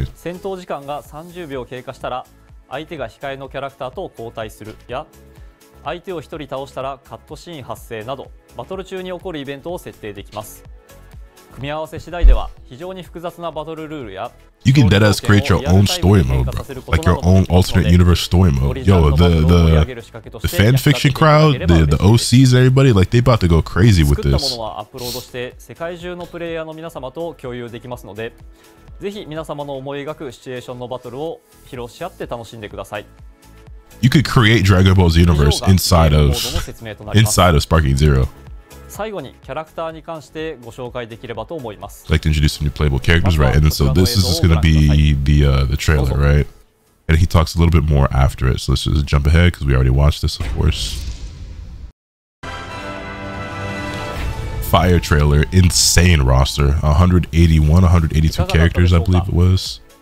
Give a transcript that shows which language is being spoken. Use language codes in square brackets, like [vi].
[ja] いや、戦闘時間が30秒経過したら、相手が控えのキャラクターと交代する。いや、相手を1人倒したらカットシーン発生など、バトル中に起こるイベントを設定できます。組み合わせ次第では非常に複雑なバトルルールや [en] You can deadass create your own story mode, like your own alternate universe story mode. Yo, the fan fiction crowd, the OCs and everybody, like they about to go crazy with this. [ja] 作ったものはアップロードして世界中のプレイヤーの皆様と共有できますので、ぜひ皆様の思い描くシチュエーションのバトルを披露し合って楽しんでください。 [en] You could create Dragon Ball's universe inside of Sparking Zero. [ja] 最後にキャラクターに関してご紹介できればと思います。 [en] Like to introduce some new playable characters, right? And so this is just gonna be the trailer, right? And he talks a little bit more after it. So let's just jump ahead because we already watched this, of course. Fire trailer, insane roster, 181, 182 characters, I believe it was.